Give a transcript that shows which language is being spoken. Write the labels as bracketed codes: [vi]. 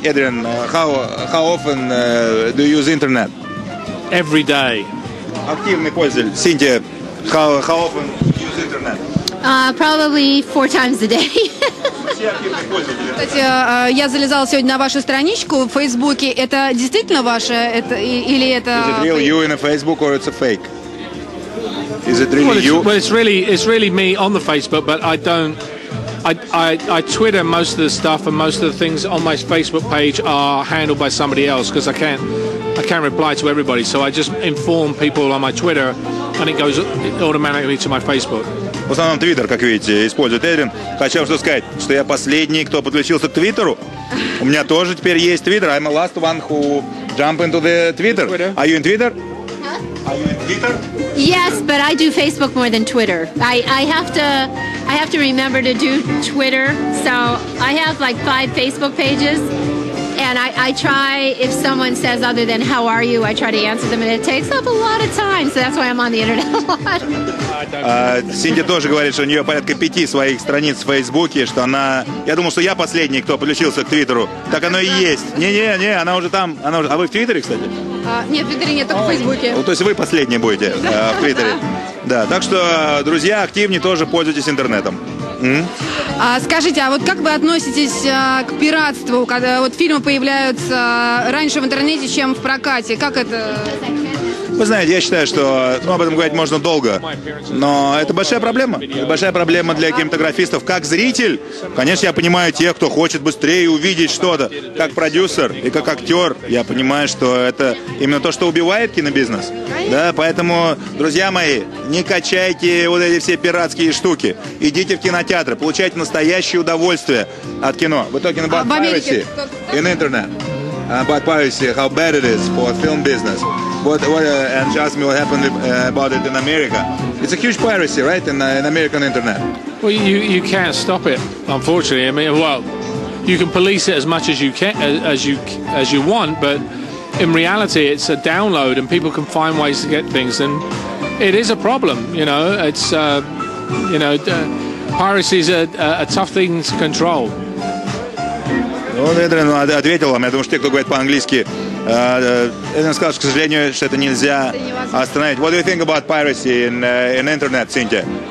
[en] Эдриан, how often do you use internet? Every day. [ru] Активный пользователь. [en] Синтия, how often do you use internet? Probably four times a day. [ru] Кстати, я залезала сегодня на вашу страничку в Фейсбуке. Это действительно ваше? Это, или это... [en] Is it real you in a Facebook or it's a fake? Is it really you? Well, it's really me on the Facebook, but I don't... I Twitter most of the stuff and most of the things on my Facebook page are handled by somebody else because I can't reply to everybody. So I just inform people on my Twitter and it goes automatically to my Facebook. [ru] В основном Твиттер, как видите, использует Эдриан. Хочу вам что сказать, что я последний, кто подключился к Твиттеру. У меня тоже теперь есть Твиттер. [en] I'm the last one who jump into the Twitter. Are you in Twitter? Huh? Are you in Twitter? Yes, but I do Facebook more than Twitter. I have to remember to do Twitter. So I have like five Facebook pages. And I try, if someone says other than how are you, I try to answer them, and it takes up a lot of time, so that's why I'm on the internet a lot. [ru] Синди тоже говорит, что у нее порядка пяти своих страниц в Фейсбуке, что она... Я думал, что я последний, кто подключился к Твиттеру. Так оно и есть. Не-не-не, она уже там. Она уже... А вы в Твиттере, кстати? Нет, в Твиттере нет, только в Фейсбуке. То есть вы последний будете в Твиттере. Да, так что, друзья, активнее тоже пользуйтесь интернетом. А скажите, а вот как вы относитесь к пиратству, когда вот фильмы появляются раньше в интернете, чем в прокате? Как это? Вы знаете, я считаю, что об этом говорить можно долго, но это большая проблема. Это большая проблема для кинематографистов. Как зритель, конечно, я понимаю тех, кто хочет быстрее увидеть что-то. Как продюсер и как актер, я понимаю, что это именно то, что убивает кинобизнес. Да, поэтому, друзья мои, не качайте вот эти все пиратские штуки. Идите в кинотеатры, получайте настоящее удовольствие от кино. Вы [en] talking about piracy in internet. About piracy, how bad it is for film business. And just me, what happened about it in America? It's a huge piracy, right, in American internet? Well, you can't stop it, unfortunately. I mean, well, you can police it as much as you can, as you want, but in reality, it's a download, and people can find ways to get things, and it is a problem. You know, it's piracy is a tough thing to control. [ru] Вот Эдриан ответил вам, я думаю, что те, кто говорит по-английски, Эдриан сказал, что, к сожалению, что это нельзя остановить. [en] What do you think about piracy in internet, Cynthia?